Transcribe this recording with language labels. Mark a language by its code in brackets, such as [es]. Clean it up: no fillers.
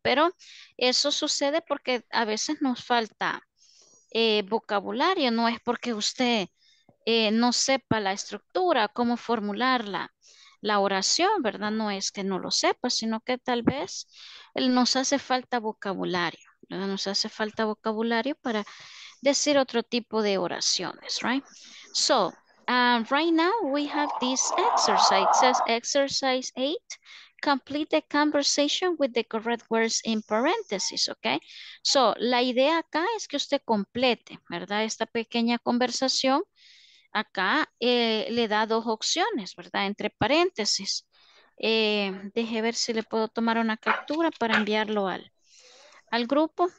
[es] Pero eso sucede porque a veces nos falta vocabulario, no es porque usted no sepa la estructura, cómo formularla. La oración, ¿verdad? No es que no lo sepa, sino que tal vez nos hace falta vocabulario, ¿verdad? Nos hace falta vocabulario para decir otro tipo de oraciones, right? [en] So, right now we have this exercise. It says exercise 8, complete the conversation with the correct words in parentheses, okay? [es] So, la idea acá es que usted complete, ¿verdad? Esta pequeña conversación. Acá le da dos opciones, ¿verdad? Entre paréntesis. Deje ver si le puedo tomar una captura para enviarlo al grupo.